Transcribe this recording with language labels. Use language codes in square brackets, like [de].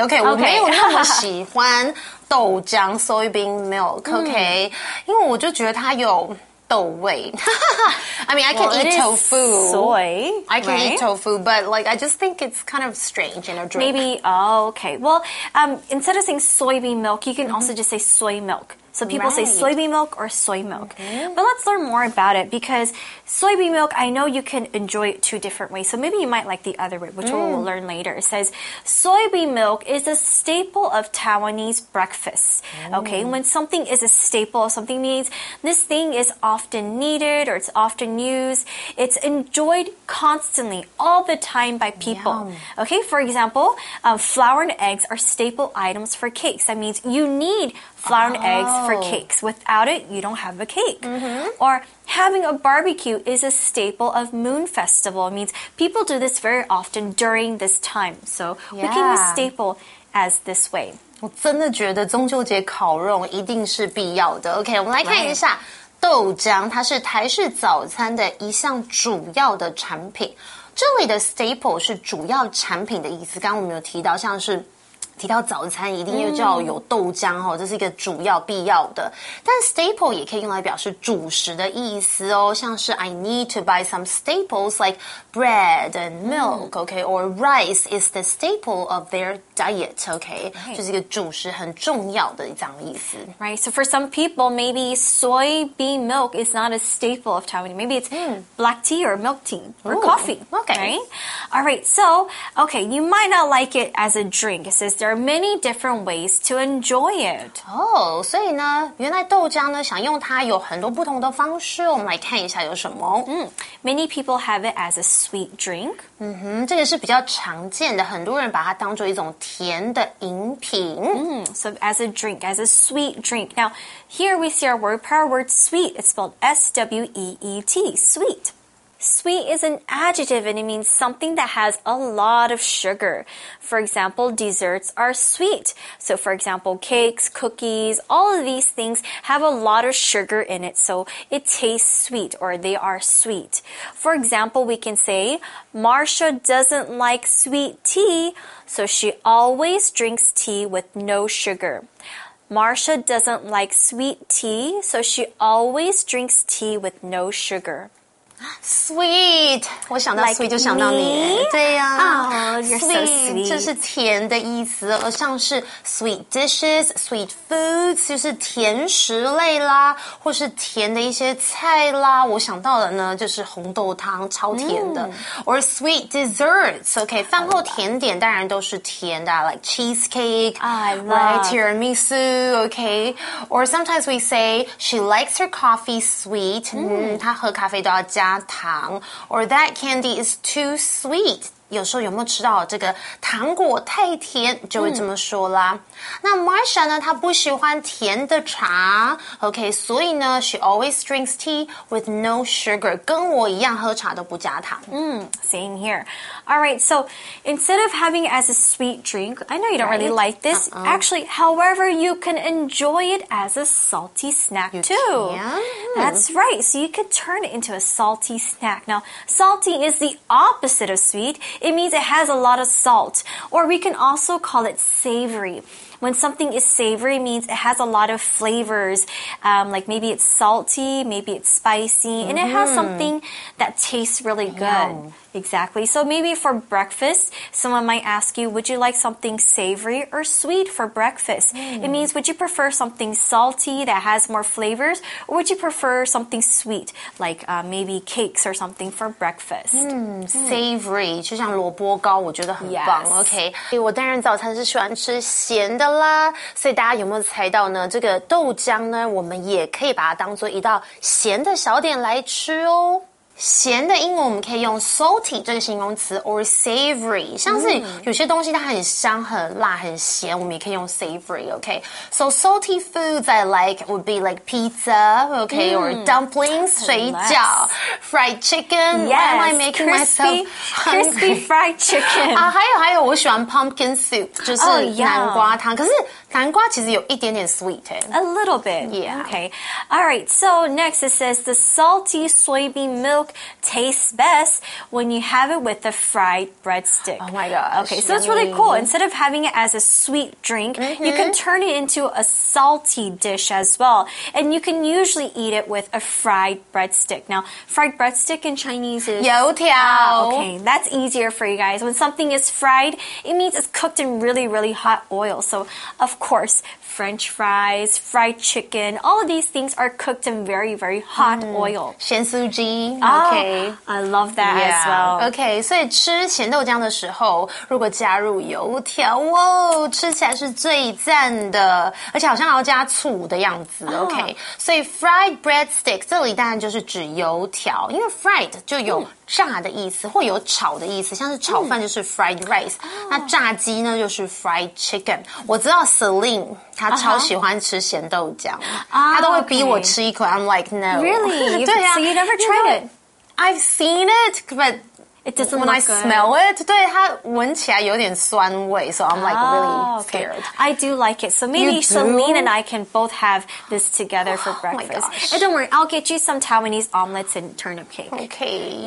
[zh] Okay, 我没有那么喜欢豆浆 [en] soybean milk, okay? [zh] 因为我就觉得它有... 豆味 [en] I mean, I can well, eat tofu. Soy, I can right? eat tofu, but like, I just think it's kind of strange in a drink. Maybe, oh, okay. Well, instead of saying soybean milk, you can also just say soy milk. So people say soybean milk or soy milk. Mm-hmm. But let's learn more about it because soybean milk, I know you can enjoy it two different ways. So maybe you might like the other way, which we'll learn later. It says, soybean milk is a staple of Taiwanese breakfast. Mm. Okay, when something is a staple, something means this thing is often needed or it's often used. It's enjoyed constantly, all the time by people. Yum. Okay, for example, flour and eggs are staple items for cakes. That means you need flour and eggs for cakes. Without it, you don't have a cake. Mm-hmm. Or having a barbecue is a staple of Moon Festival. It means people do this very often during this time. So we can use staple as this way. [zh] 我真的觉得中秋节烤肉一定是必要的。Okay, 我们来看一下。豆浆它是台式早餐的一项主要的产品。这里的staple是主要产品的意思。刚刚我们有提到像是提到早餐一定就要有豆浆哦，这是一个主要必要的。但 staple 也可以用来表示主食的意思哦，像是 [en] I need to buy some staples like bread and milk, okay, or rice is the staple of their diet, [zh] okay, 就是一个主食很重要的这样的意思。 [en] Right, so for some people, maybe soybean milk is not a staple of Taiwan. Maybe it's black tea or milk tea or coffee. Okay. Alright, so, okay, you might not like it as a drink. It says there are many different ways to enjoy it. [zh] Oh, 所以呢原来豆浆呢想用它有很多不同的方式。我们来看一下有什么。 [en] Many people have it as a sweet drink. [zh] 这个是比较常见的。很多人把它当作一种甜的饮品。 [en] So as a drink, as a sweet drink. Now, here we see our word, power word sweet. It's spelled S-W-E-E-T, sweet. Sweet is an adjective and it means something that has a lot of sugar. For example, desserts are sweet. So, for example, cakes, cookies, all of these things have a lot of sugar in it. So, it tastes sweet or they are sweet. For example, we can say, Marsha doesn't like sweet tea, so she always drinks tea with no sugar. Marsha doesn't like sweet tea, so she always drinks tea with no sugar. [zh] Sweet, 我想到 sweet 就想到你、 [en] like、 [zh] 对呀、 [en] 啊 oh, sweet, so、sweet [zh] 这是甜的意思像是 [en] sweet dishes, sweet foods [zh] 就是甜食类啦或是甜的一些菜啦我想到的呢就是红豆汤超甜的、 [en] or sweet desserts OK, [zh] 饭后甜点当然都是甜的 [en] like cheesecake I love、 right, tiramisu OK, or sometimes we say she likes her coffee sweet [zh] 她喝咖啡都要加糖 [en] or that candy is too sweet. [zh] 有时候有没有吃到这个糖果太甜就会这么说啦。那 Marsha 呢她不喜欢甜的茶 OK, 所以呢 [en] she always drinks tea with no sugar. [zh] 跟我一样喝茶都不加糖。 [en] Same here. Alright, so instead of having it as a sweet drink, I know you don't really like this. Actually, however, you can enjoy it as a salty snack too. That's right. So you could turn it into a salty snack. Now, salty is the opposite of sweet. It means it has a lot of salt. Or we can also call it savory. When something is savory, it means it has a lot of flavors, like maybe it's salty, maybe it's spicy, and it has something that tastes really good. Exactly. So maybe for breakfast, someone might ask you, would you like something savory or sweet for breakfast? It means, would you prefer something salty that has more flavors, or would you prefer something sweet, like maybe cakes or something for breakfast? [zh] Savory, 就像萝卜糕我觉得很棒。 Okay. 我当然早餐是喜欢吃咸的啦。所以大家有没有猜到呢这个豆浆呢我们也可以把它当作一道咸的小点来吃哦。咸的英文我们可以用 salty 这个形容词 or savory 像是有些东西它很香很辣很咸我们也可以用 savory [en] OK So salty foods I like would be like pizza OK or dumplings [zh] 水饺 [en] fried chicken Why am I making crispy, myself hungry? Crispy fried chicken 啊，还有我喜欢 pumpkin soup 就是南瓜汤、可是南瓜其实有一点点 sweet、 A little bit Yeah OK Alright So next it says The salty soybean milk tastes best when you have it with a fried breadstick. Oh my gosh. Okay, so that's really cool. Instead of having it as a sweet drink, you can turn it into a salty dish as well. And you can usually eat it with a fried breadstick. Now, fried breadstick in Chinese is... [zh] 油条 [en] Okay, that's easier for you guys. When something is fried, it means it's cooked in really, really hot oil. So, of course, French fries, fried chicken, all of these things are cooked in very, very hot oil. [zh] 咸酥鸡OK, [en] I love that as well. [zh] OK, 所以吃咸豆浆的时候如果加入油条哦吃起来是最赞的而且好像还要加醋的样子 OK, 所以 fried breadstick 这里当然就是指油条因为 fried 就有炸的意思或有炒的意思像是炒饭就是 fried rice 那炸鸡呢就是 fried chicken 我知道 Celine 她超喜欢吃咸豆浆、她都会逼我吃一口 [en] I'm like no Really? [zh] 对啊 [en] So you never tried it? I've seen it, but It doesn't look good. When I smell it, [zh] 对它闻起来有点酸味 [en] so I'm like really scared. I do like it. So maybe Celine and I can both have this together for breakfast. And don't worry, I'll get you some Taiwanese omelets and turnip cake. Okay.